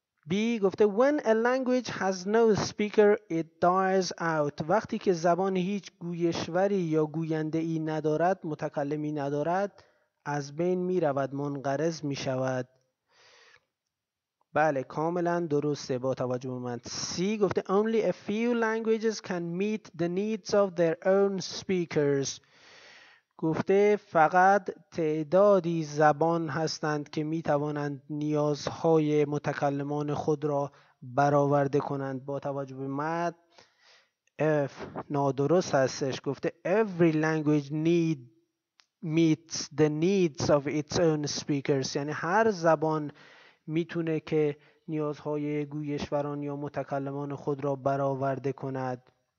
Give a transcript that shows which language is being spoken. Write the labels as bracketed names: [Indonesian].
[English] B [Persian] گفته [English] When a language has no speaker, it dies out. [Persian] وقتی که زبان هیچ گویشوری یا گوینده ای ندارد، متکلمی ندارد، از بین می رود، منقرض می شود. بله کاملا درسته با توجه به من. سی گفته [English] Only a few languages can meet the needs of their own speakers. [Persian] گفته فقط تعدادی زبان هستند که می توانند نیازهای متکلمان خود را برآورده کنند. با توجه به من اف نادرست هستش. گفته [English] Every language meets the needs of its own speakers. [Persian] یعنی هر زبان میتونه که نیازهای گویشوران یا متکلمان خود را برآورده کند.